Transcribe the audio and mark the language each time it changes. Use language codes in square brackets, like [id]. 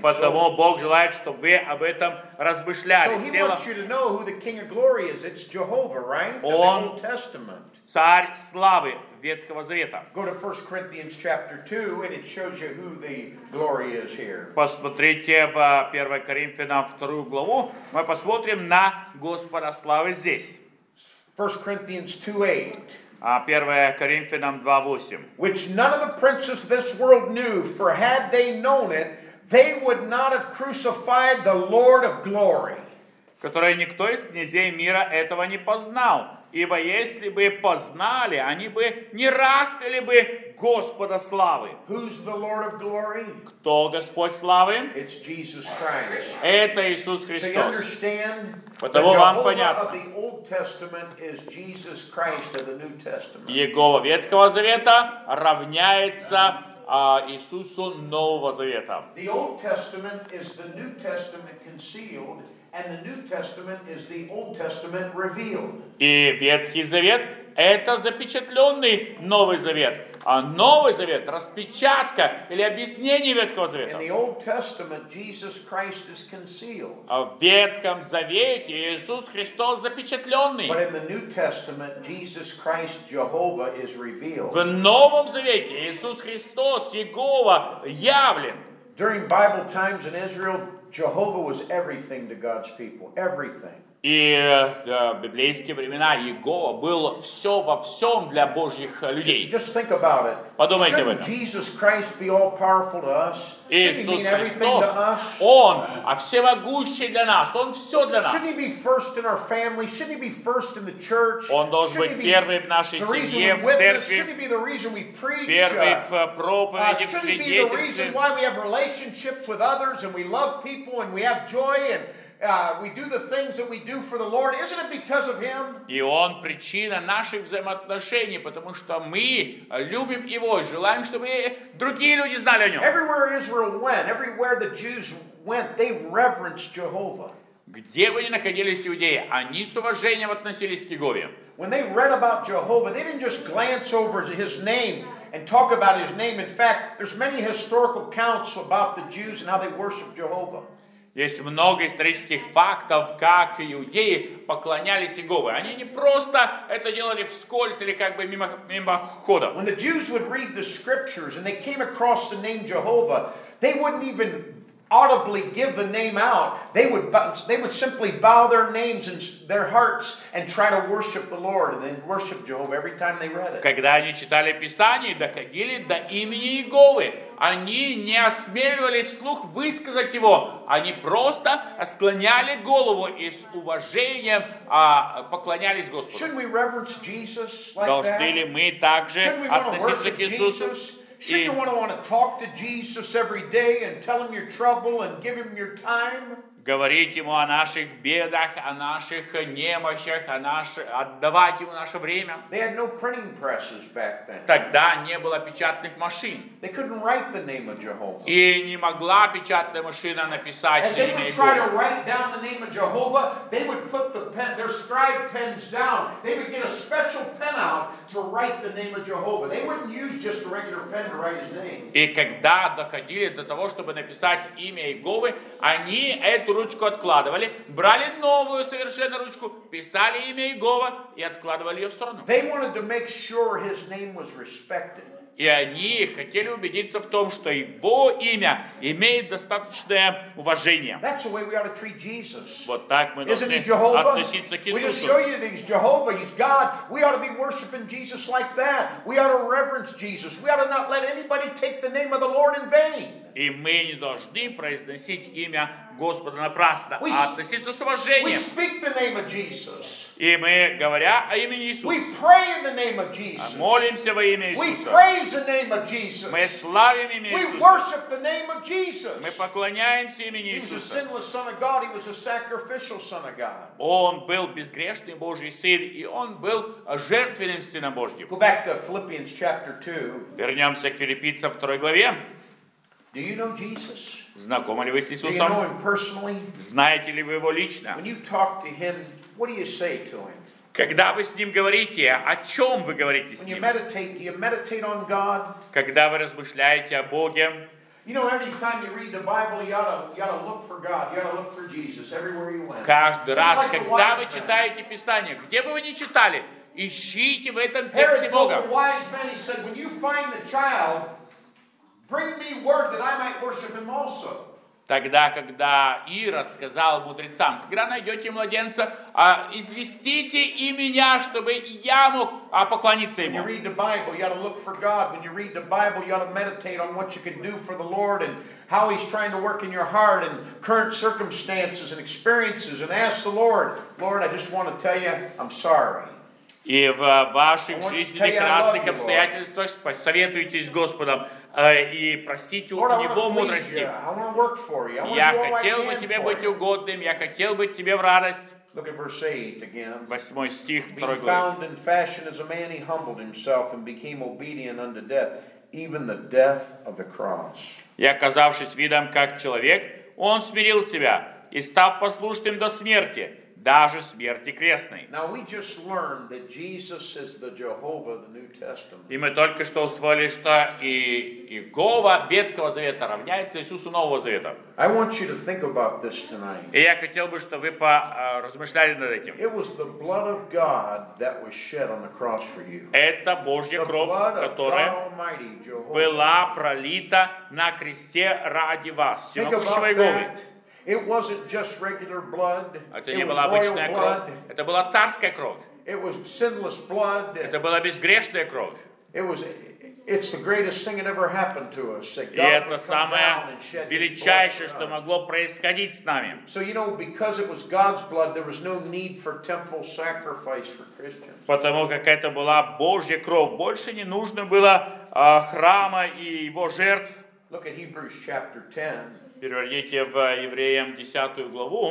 [ru] Потому Бог желает, чтобы вы об этом размышляли. [en] So He wants you to know who the King of Glory is. It's Jehovah, right? The Old Testament. [ru] Царь славы Ветхого Завета. [en] Go to 1 Corinthians chapter 2 and it shows you who the glory is here. [ru] Посмотрите в 1 Коринфянам 2 главу. Мы посмотрим на Господа славы здесь. [en] 1 Corinthians 2:8. [ru] А 1 Коринфянам 2:8. [en] Which none of the princes of this world knew, for had they known it, they would not have crucified the Lord of glory. [ru] Которое никто из князей мира этого не познал, ибо если бы познали, они бы не распяли бы Господа славы. [en] Who's the Lord of glory? [ru] Кто Господь славы? [en] It's Jesus Christ. [ru] Это Иисус Христос. [en] So you understand? [ru] Потому вам понятно. [en] The Jehovah of the Old Testament is Jesus Christ of the New Testament. [ru] Иегова Ветхого Завета равняется Иисусу Нового Завета. [en] The Old Testament is the New Testament concealed, and the New Testament is the Old Testament revealed. [ru] И Ветхий Завет — это запечатленный Новый Завет. А Новый Завет — распечатка или объяснение Ветхого Завета. [en] In the Old Testament, Jesus Christ is concealed. [ru] А в Ветхом Завете Иисус Христос запечатленный. [en] But in the New Testament, Jesus Christ, Jehovah, is revealed. [ru] В Новом Завете Иисус Христос, Иегова, явлен. [en] During Bible times in Israel, Jehovah was everything to God's people. Everything. [ru] И в библейские времена Иегова был все во всем для Божьих людей. [en] Just think about it. [ru] Подумайте об этом. [en] Jesus Christ be all powerful to us? [ru] Иисус Христос, Он, а всемогущий для нас, Он все для нас. [en] Shouldn't He be first in our family? Shouldn't He be first in the church? [ru] Он должен быть первый в нашей семье, в церкви. [en] Shouldn't He be the reason we preach? [ru] Первый в проповеди, в свидетельстве. [en] Shouldn't He be the reason why we have relationships with others and we love people and we have joy and we do the things that we do for the Lord. Isn't it because of Him? [ru] И Он причина наших взаимоотношений, потому что мы любим Его, желаем, чтобы другие люди знали о Нем. [en] Everywhere Israel went, everywhere the Jews went, they reverenced Jehovah. [ru] Где бы ни находились иудеи, они с уважением относились к Иегове. [en] When they read about Jehovah, they didn't just glance over His name and talk about His name. In fact, there's many historical accounts about the Jews and how they worshiped Jehovah. [ru] Есть много исторических фактов, как иудеи поклонялись Иегове. Они не просто это делали вскользь или как бы мимоходом. [en] When the Jews would read the scriptures and they came across the name Jehovah, they wouldn't even audibly give the name out, they would simply bow their names and their hearts and try to worship the Lord and then worship Jehovah every time they read it. [ru] Когда они читали Писание, доходили до имени Иеговы, они не осмеливались вслух высказать его, они просто склоняли голову и с уважением поклонялись Господу. [en] Should we reverence Jesus like that? [ru] Должны ли мы также относиться к Иисусу? [en] Shouldn't you want to talk to Jesus every day and tell him your trouble and give him your time? [ru] Говорить ему о наших бедах, о наших немощах, отдавать ему наше время. [en] They had no printing presses back then. [ru] Тогда не было печатных машин. [en] They couldn't write the name of Jehovah. [ru] И не могла печатная машина написать имя Иеговы. [en] As they would try to write down the name of Jehovah, they would put the pen, their scribe pens down. They would get a special pen out to write the name of Jehovah. They wouldn't use just a regular pen to write his name. [ru] И когда доходили до того, чтобы написать имя Иеговы, они эту ручку откладывали, брали новую совершенно ручку, писали имя Иегова и откладывали ее в сторону. [en] They wanted to make sure his name was respected. [ru] И они хотели убедиться в том, что его имя имеет достаточное уважение. [en] That's the way we ought to treat Jesus. [ru] Вот так мы должны относиться к Иисусу. [en] We just show you that he's Jehovah, he's God. We ought to be worshiping Jesus like that. We ought to reverence Jesus. We ought to not let anybody take the name of the Lord in vain. [ru] И мы не должны произносить имя Господа напрасно, а относиться с уважением. [en] We speak the name of Jesus. [ru] И мы, говоря о имени Иисуса, [en] we pray in the name of Jesus. [ru] Молимся во имя Иисуса. [en] We praise the name of Jesus. [ru] Мы славим имя Иисуса. [en] We worship the name of Jesus. [ru] Мы поклоняемся имени Иисуса. [en] He was a sinless Son of God. He was a sacrificial Son of God. [ru] Он был безгрешный Божий Сын, и Он был жертвенным Сыном Божьим. [en] Go back to Philippians chapter 2. [ru] Вернемся к Филиппийцам 2 главе. [en] Do you know Jesus? [ru] Знакомы ли вы с Иисусом? [en] Do you know him personally? [ru] Знаете ли вы его лично? [en] When you talk to him, what do you say to him? [ru] Когда вы с ним говорите, о чем вы говорите с ним? [en] When you meditate, do you meditate on God? [ru] Когда вы размышляете о Боге? [en] You know, every time you read the Bible, you ought to look for God. You ought to look for Jesus everywhere you went. [ru] Каждый раз, когда вы читаете Писание, где бы вы ни читали, ищите в этом тексте Бога. [en] Herod told the wise men, he said, when you find the child, bring me word that I might worship him also. [ru] Тогда, когда Ирод сказал мудрецам, когда найдете младенца, известите и меня, чтобы я мог поклониться ему. [en] When you read the Bible, you ought to look for God. When you read the Bible, you ought to meditate on what you can do for the Lord and how he's trying to work in your heart and current circumstances and experiences and ask the Lord, Lord, I just want to tell you, I'm sorry. [ru] И в ваших жизненных разных обстоятельствах посоветуйтесь с Господом и просите у Него мудрости. Я хотел бы Тебе быть угодным, я хотел бы Тебе в радость. Восьмой стих, второй глава. [en] Being found in fashion as a man, he humbled himself and became obedient unto death, even the death of the cross. [ru] И оказавшись видом как человек, он смирил себя и став послушным до смерти, даже смерти крестной. [en] Now we just learned that Jesus is the Jehovah of the New Testament. [ru] И мы только что усвоили, что и Иегова Ветхого Завета равняется Иисусу Нового Завета. [en] I want you to think about this tonight. [ru] И я хотел бы, чтобы вы размышляли над этим. [en] It was the blood of God that was shed on the cross for you. [ru] Это Божья кровь, которая была пролита на кресте ради вас, всемогущего Иеговы. [en] It wasn't just regular blood. [ru] Это не была обычная кровь. Это была царская кровь. [en] It was sinless blood. [ru] Это была безгрешная кровь. [en] It's the greatest thing that ever happened to us. [ru] И это самое величайшее, что могло происходить с нами. [en] So you know, because it was God's blood, there was no need for temple sacrifice for Christians. [ru] Потому как это была Божья кровь, больше не нужно было храма и его жертв. [en] Look at Hebrews chapter 10. [ru] Переверните в Евреям 10 главу.